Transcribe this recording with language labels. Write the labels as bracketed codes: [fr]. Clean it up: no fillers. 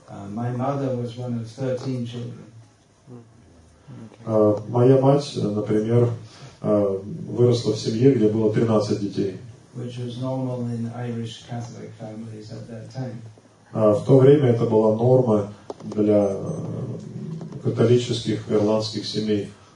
[en] My mother was one of 13 children. [ru] Моя мать, например, выросла в семье, где было 13 детей. [en] Which was normal in Irish Catholic families at that time. [ru] В то время это была норма для католических ирландских семей.